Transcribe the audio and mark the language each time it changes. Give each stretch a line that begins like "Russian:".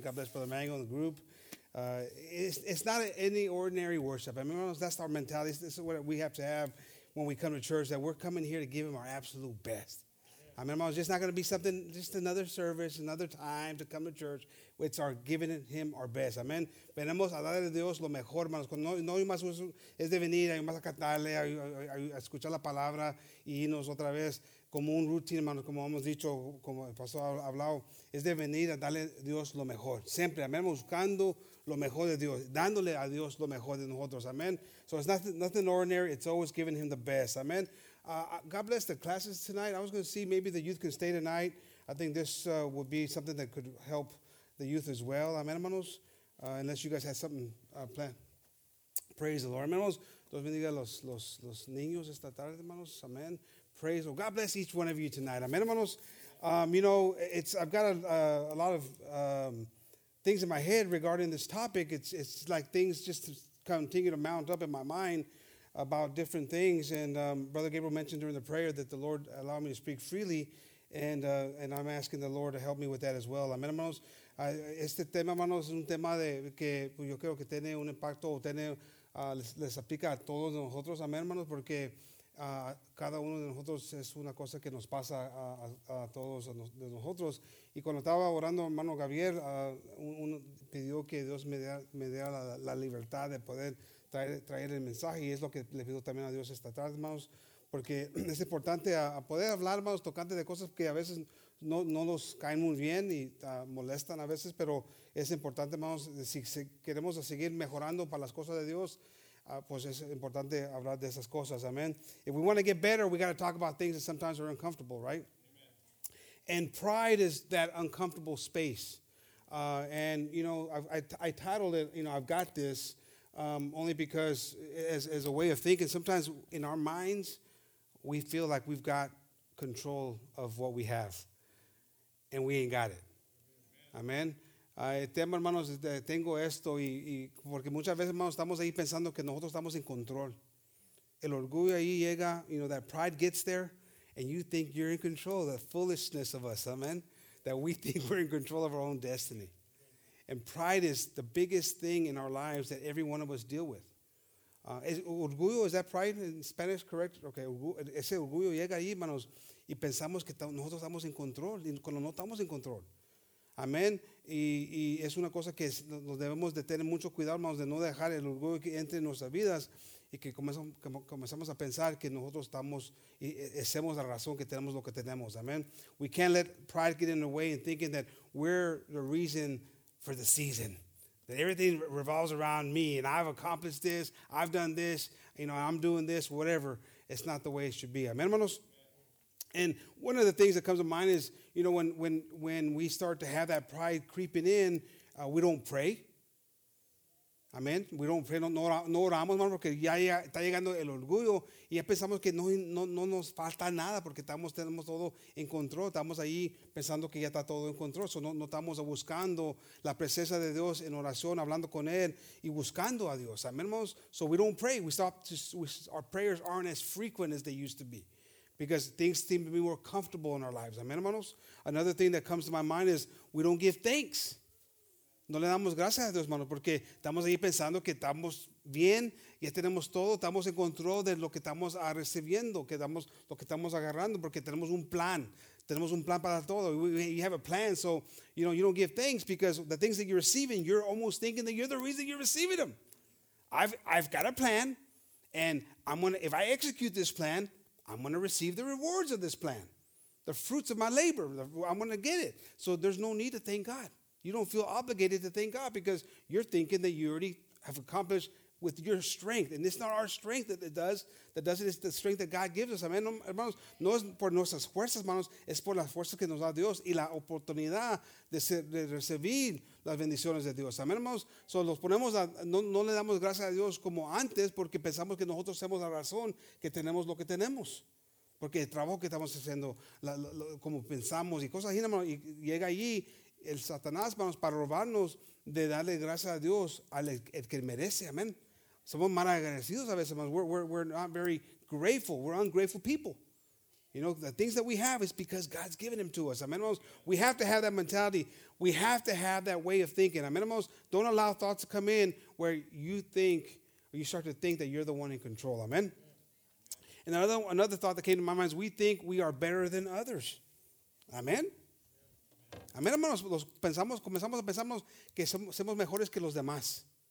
English: God bless Brother Emmanuel and the group. It's not any ordinary worship. I mean, that's our mentality. This is what we have to have when we come to church, that we're coming here to give him our absolute best. I mean, it's just not going to be something, just another service, another time to come to church. It's our giving him our best. Amen.
Spanish: Venimos a darle a Dios lo mejor, hermanos. No hay más uso. Es de venir, hay más a cantarle, a escuchar la palabra y irnos otra vez como un routine, hermanos. Como hemos dicho, como el pastor ha hablado, es de venir a darle a Dios lo mejor. Siempre, amén, buscando lo mejor de Dios, dándole a Dios lo mejor de nosotros.
English: Amen. So it's nothing ordinary. It's always giving him the best. Amen. God bless the classes tonight. I was going to see maybe the youth can stay tonight. I think this would be something that could help the youth as well. Amen, hermanos. Unless you guys had something planned. Praise the Lord, hermanos.
Spanish: Dios bendiga los niños esta tarde, hermanos. Amen.
English: Praise the Lord. God bless each one of you tonight. Amen, hermanos. You know, I've got a lot of things in my head regarding this topic. It's like things just continue to mount up in my mind about different things, and Brother Gabriel mentioned during the prayer that the Lord allowed me to speak freely, and I'm asking the Lord to help me with that as well. Amen, hermanos.
Spanish: Este tema, hermanos, es un tema de que yo creo que tiene un impacto, les aplica a todos nosotros, amen, hermanos, porque cada uno de nosotros es una cosa que nos pasa a todos de nosotros. Y cuando estaba orando, hermano Gabriel, uno pidió que Dios me diera la libertad de poder traer el mensaje, y es lo que le pido también a Dios esta tarde, hermanos, porque es importante a poder hablar, hermanos, tocante de cosas que a veces no nos caen muy bien y molestan a veces, pero es importante, hermanos, si queremos seguir mejorando para las cosas de Dios, pues es importante hablar de esas cosas. Amen.
English: If we want to get better, we got to talk about things that sometimes are uncomfortable, right? Amen. And pride is that uncomfortable space. And you know, I titled it, you know, I've got this. Only because as a way of thinking, sometimes in our minds, we feel like we've got control of what we have, and we ain't got it. Amen.
Spanish: Tema, hermanos, tengo esto, y porque muchas veces, hermanos, estamos ahí pensando que nosotros estamos en control. El orgullo ahí llega,
English: you know, that pride gets there, and you think you're in control, the foolishness of us, amen, that we think we're in control of our own destiny. And pride is the biggest thing in our lives that every one of us deal with. Orgullo, is that pride in Spanish, correct?
Spanish: Okay, ese orgullo llega ahí, hermanos, y pensamos que nosotros estamos en control, y cuando no estamos en control. Amén. Y es una cosa que nos debemos de tener mucho cuidado, hermanos, de no dejar el orgullo que entre en nuestras vidas y que comenzamos a pensar que nosotros estamos y hacemos la razón que tenemos lo que tenemos. Amén.
English: We can't let pride get in the way and thinking that we're the reason for the season, that everything revolves around me, and I've accomplished this, I've done this, you know, I'm doing this, whatever. It's not the way it should be. Amen, hermanos? And one of the things that comes to mind is, you know, when we start to have that pride creeping in, we don't pray.
Spanish: Amén.
English: We don't pray,
Spanish: no oramos, hermano, porque ya está llegando el orgullo y ya pensamos que no nos falta nada porque tenemos todo en control. Estamos ahí pensando que ya está todo en control. So no estamos buscando la presencia de Dios en oración, hablando con Él y buscando a Dios.
English: Amén, hermanos. So we don't pray. Our prayers aren't as frequent as they used to be because things seem to be more comfortable in our lives. Amén, hermanos. Another thing that comes to my mind is we don't give thanks.
Spanish: No le damos gracias a Dios, hermano, porque estamos ahí pensando que estamos bien, ya tenemos todo, estamos en control de lo que estamos recibiendo, que damos lo que estamos agarrando, porque tenemos un plan para todo.
English: You have a plan, so you don't give thanks because the things that you're receiving, you're almost thinking that you're the reason you're receiving them. I've got a plan, and if I execute this plan, I'm going to receive the rewards of this plan, the fruits of my labor. I'm going to get it. So there's no need to thank God. You don't feel obligated to thank God because you're thinking that you already have accomplished with your strength. And it's not our strength that does it. It's the strength that God gives us. Amen, hermanos.
Spanish: No es por nuestras fuerzas, hermanos. Es por las fuerzas que nos da Dios y la oportunidad de recibir las bendiciones de Dios. Amen, hermanos. So los ponemos, no le damos gracias a Dios como antes porque pensamos que nosotros somos la razón que tenemos lo que tenemos. Porque el trabajo que estamos haciendo, como pensamos y cosas así, hermano, y llega allí el Satanás, hermanos, para robarnos de darle gracias a Dios al el que merece, amén. Somos mal agradecidos a veces, hermanos.
English: We're not very grateful. We're ungrateful people. You know, the things that we have is because God's given them to us, amén, hermanos. We have to have that mentality. We have to have that way of thinking, amén, hermanos. Don't allow thoughts to come in where you think, or you start to think that you're the one in control, amén. And another thought that came to my mind is we think we are better than others, amén.
Spanish: Amén, hermanos, comenzamos a pensar que somos mejores que los demás.